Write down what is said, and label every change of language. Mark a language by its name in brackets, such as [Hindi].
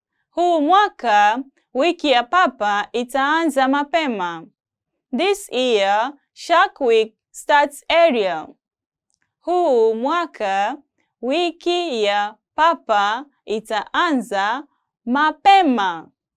[Swahili] Huu mwaka, wiki ya papa itaanza mapema. [English] This year, shark week starts earlier. [Swahili] Huu mwaka, wiki ya papa itaanza mapema.